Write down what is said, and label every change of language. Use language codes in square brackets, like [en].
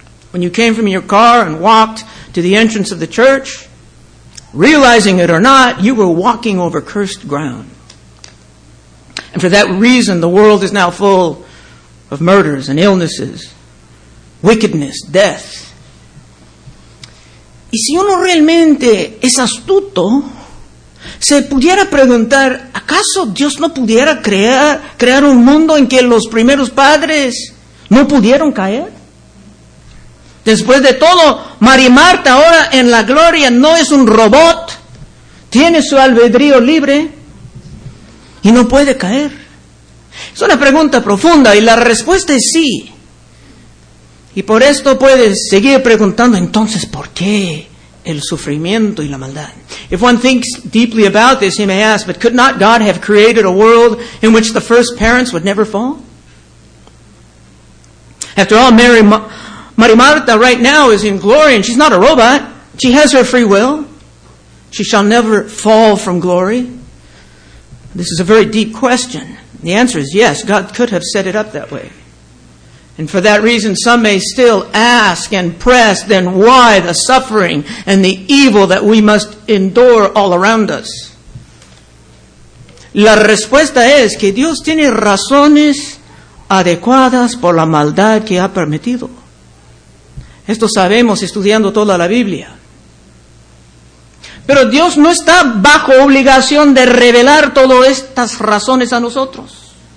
[en] When you came from your car and walked to the entrance of the church, realizing it or not, you were walking over cursed ground. And for that reason, the world is now full of murders and illnesses, wickedness, death. [es] Y si uno realmente es astuto, se pudiera preguntar, ¿acaso Dios no pudiera crear un mundo en que los primeros padres no pudieron caer? Después de todo, María Marta ahora en la gloria no es un robot. Tiene su albedrío libre y no puede caer. Es una pregunta profunda y la respuesta es sí. Y por esto puedes seguir preguntando, entonces, ¿por qué el sufrimiento y la maldad? [en] If one thinks deeply about this, he may ask, but could not God have created a world in which the first parents would never fall? After all, Mary Marta right now is in glory and she's not a robot. She has her free will. She shall never fall from glory. This is a very deep question. The answer is yes, God could have set it up that way. And for that reason, some may still ask and press, then why the suffering and the evil that we must endure all around us? [es] La respuesta es que Dios tiene razones adecuadas por la maldad que ha permitido. Esto sabemos estudiando toda la Biblia. Pero Dios no está bajo obligación de revelar todas estas razones a nosotros.